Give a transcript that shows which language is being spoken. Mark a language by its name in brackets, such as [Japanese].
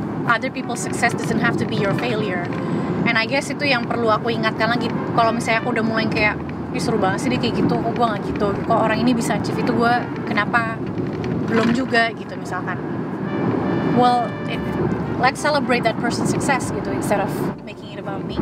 [English] Other people's success doesn't have to be your failure. And I guess [Indonesian] itu yang perlu aku ingatkan lagi. Kalau misalnya aku udah mulai kayak, ih seru banget sih dia kayak gitu, kok gue gak gitu, kok orang ini bisa achieve itu, gue kenapa belum juga gitu misalkan. [English] Well, let's celebrate that person's success [Indonesian] gitu, [English] instead of making it about me.